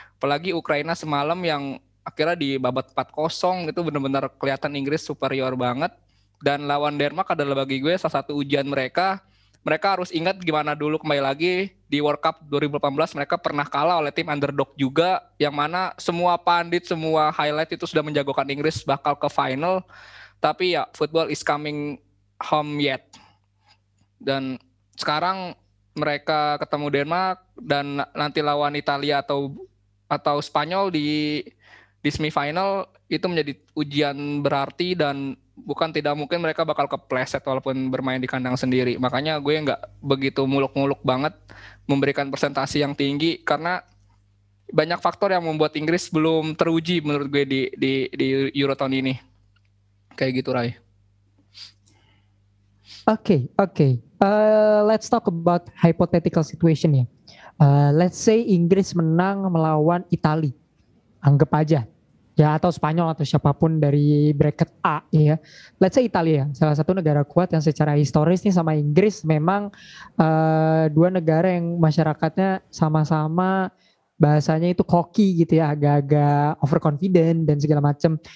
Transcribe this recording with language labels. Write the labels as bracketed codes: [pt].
[id] Apalagi Ukraina semalam yang akhirnya di babak 4-0 itu benar-benar kelihatan Inggris superior banget. Dan lawan Denmark adalah bagi gue salah satu ujian mereka. Mereka harus ingat gimana dulu, kembali lagi di World Cup 2018 mereka pernah kalah oleh tim underdog juga, yang mana semua pandit, semua highlight itu sudah menjagokan Inggris bakal ke final. Tapi ya, [en] football is coming home yet. [id] Dan sekarang mereka ketemu Denmark dan nanti lawan Italia atau Spanyol di semifinal, itu menjadi ujian berarti dan bukan tidak mungkin mereka bakal kepleset walaupun bermain di kandang sendiri. Makanya gue nggak begitu muluk-muluk banget memberikan persentase yang tinggi karena banyak faktor yang membuat Inggris belum teruji menurut gue di Euro tahun ini. Kayak gitu, Rai. [en] Okay. Let's talk about hypothetical situation ya. Let's say Inggris menang melawan Itali. Anggap aja. [id] Ya, atau Spanyol atau siapapun dari bracket A ya. [en] Let's say [id] Italia, salah satu negara kuat yang secara historis nih sama Inggris memang dua negara yang masyarakatnya sama-sama bahasanya itu cocky gitu ya, agak-agak overconfident dan segala macam.